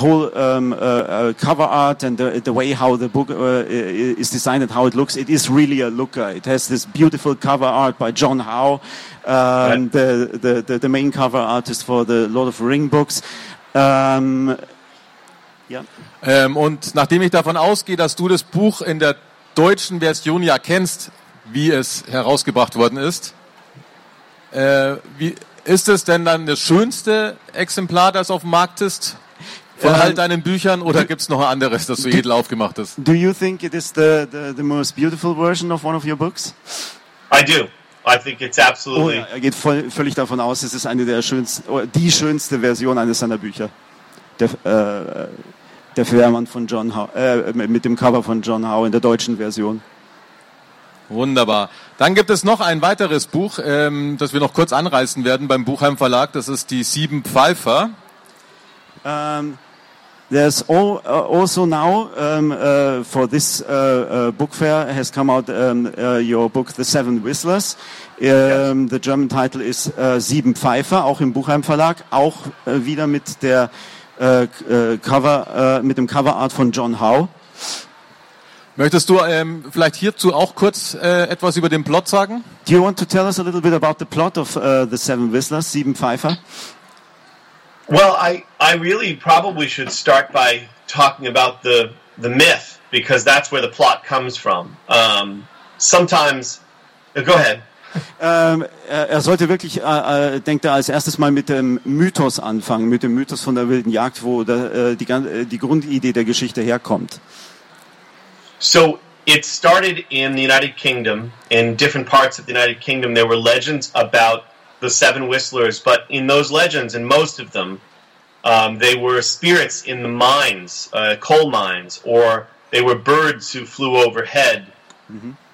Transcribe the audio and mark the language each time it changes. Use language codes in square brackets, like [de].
[en] The whole cover art and the way how the book is designed and how it looks, it is really a looker. It has this beautiful cover art by John Howe, the main cover artist for the Lord of the Ring books. [de] Und nachdem ich davon ausgehe, dass du das Buch in der deutschen Version ja kennst, wie es herausgebracht worden ist, ist es denn dann das schönste Exemplar, das auf dem Markt ist, von all deinen Büchern, oder gibt es noch ein anderes, das so edel aufgemacht ist? [en] Do you think it is the most beautiful version of one of your books? I do. I think it's absolutely... [de] Oh, er geht völlig davon aus, es ist eine der schönsten, die schönste Version eines seiner Bücher. Der Fährmann von John Howe, mit dem Cover von John Howe in der deutschen Version. Wunderbar. Dann gibt es noch ein weiteres Buch, das wir noch kurz anreißen werden beim Buchheim Verlag. Das ist Die Sieben Pfeifer. [en] There's also now for this book fair has come out your book The Seven Whistlers. The German title is [de] Sieben Pfeifer, auch im Buchheim Verlag, auch wieder mit der Cover mit dem Cover Art von John Howe. Möchtest du vielleicht hierzu auch kurz etwas über den Plot sagen? [en] Do you want to tell us a little bit about the plot of The Seven Whistlers, Sieben Pfeifer? Well, I really probably should start by talking about the myth, because that's where the plot comes from. Sometimes, go ahead. [de] Er sollte wirklich, denkt er als erstes mal mit dem Mythos anfangen, mit dem Mythos von der wilden Jagd, wo die Grundidee der Geschichte herkommt. [en] So it started in the United Kingdom. In different parts of the United Kingdom, there were legends about the Seven Whistlers, but in those legends, in most of them, they were spirits in the mines, coal mines, or they were birds who flew overhead. Mm-hmm.